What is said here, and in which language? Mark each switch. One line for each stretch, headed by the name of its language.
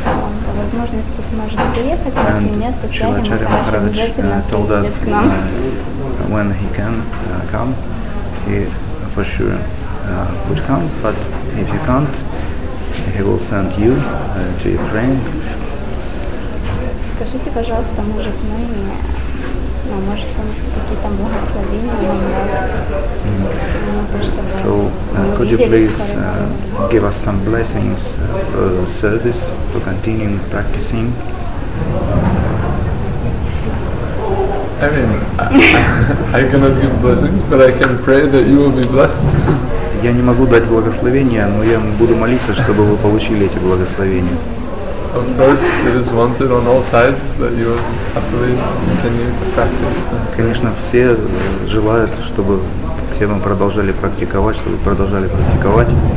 English: And Shilacharya Maharaj told us when he can come, he for sure would come, but if you can't, he will send you to Ukraine.
Russian: Скажите, пожалуйста, может мы, ну, может он какие-то благословения нам даст?
English: So, could you please give us some blessings for service, for continuing practicing? I mean, I cannot give blessings, but I can pray that you will be blessed.
Russian: Я не могу дать благословения, но я буду молиться, чтобы вы получили эти благословения.
English: Of course, it is wanted on all sides that you happily continue to practice.
Russian: Конечно, все желают, чтобы все вам продолжали практиковать, чтобы продолжали практиковать.